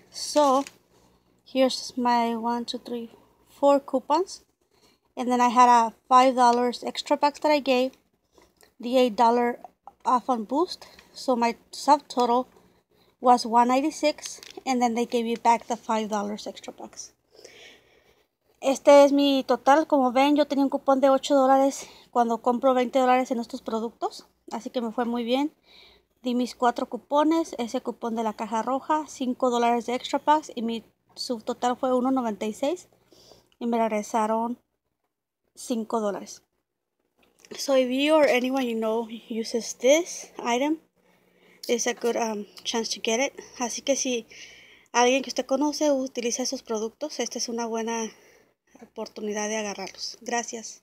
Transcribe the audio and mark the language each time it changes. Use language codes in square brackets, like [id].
[en] So here's my 1, 2, 3, 4 coupons, and then I had a $5 extra bucks that I gave the $8 off on boost. So my subtotal was $196, and then they gave me back the $5 extra bucks. [es] Este es mi total. Como ven, yo tenía un cupón de $8 cuando compro $20 en estos productos, así que me fue muy bien. Di mis cuatro cupones, ese cupón de la caja roja, $5 de extra packs, y mi subtotal fue $1.96 y me regresaron $5. [en] So if you or anyone you know uses this item, it's a good chance to get it. [es] Así que si alguien que usted conoce utiliza esos productos, esta es una buena oportunidad de agarrarlos. Gracias.